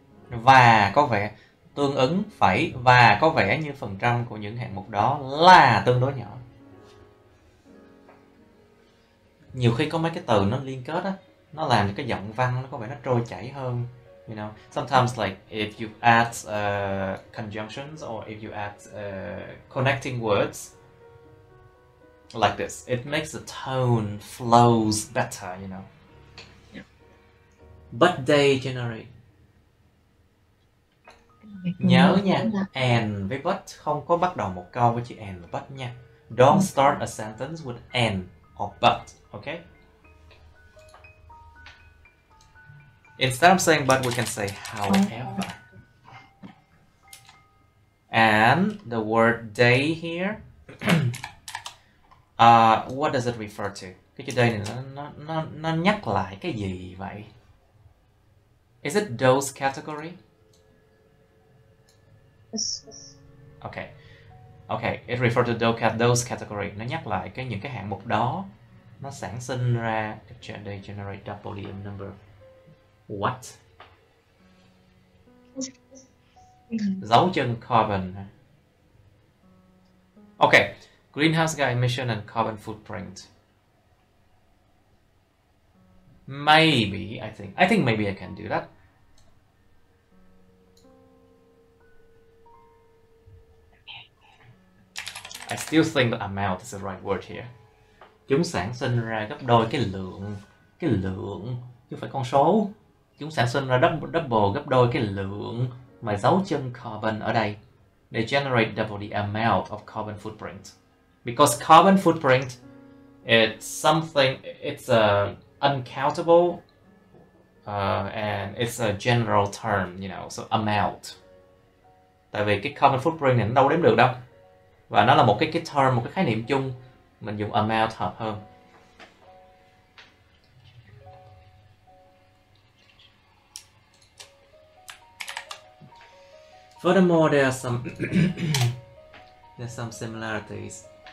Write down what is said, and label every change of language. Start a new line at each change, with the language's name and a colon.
Vietnamese: Và có vẻ tương ứng phải và có vẻ như phần trăm của những hạng mục đó là tương đối nhỏ. Nhiều khi có mấy cái từ nó liên kết á, nó làm cho cái giọng văn nó có vẻ nó trôi chảy hơn,
English: You know, sometimes like if you add conjunctions or if you add connecting words like this, it makes the tone flows better, you know. Yeah. But they generate.
Vietnamese: Nhớ nha, and với but không có bắt đầu một câu với chữ and và but nha.
English: Don't start a sentence with and or but, okay? Instead of saying but, we can say however. And the word day here, what does it refer to?
Vietnamese: Cái chữ day này nó nhắc lại cái gì vậy?
English: Is it those category? Okay, okay. It refers to those category.
Vietnamese: Nó nhắc lại cái những cái hạng mục đó nó sản sinh ra
English: they generate double the number. What?
Vietnamese: Dấu chân carbon.
English: Okay, greenhouse gas emission and carbon footprint. Maybe I think maybe I can do that. I still think the amount is the right word here.
Vietnamese: Chúng sản sinh ra gấp đôi cái lượng chứ không phải con số. Chúng sản sinh ra double gấp đôi cái lượng mà dấu chân carbon ở đây.
English: They generate double the amount of carbon footprint. Because carbon footprint, it's uncountable and it's a general term, you know, so amount.
Vietnamese: Tại vì cái carbon footprint này nó đâu đếm được đâu. Và nó là một cái term, một cái khái niệm chung. Mình dùng amount hợp hơn.
English: Furthermore, there are some there's some similarities.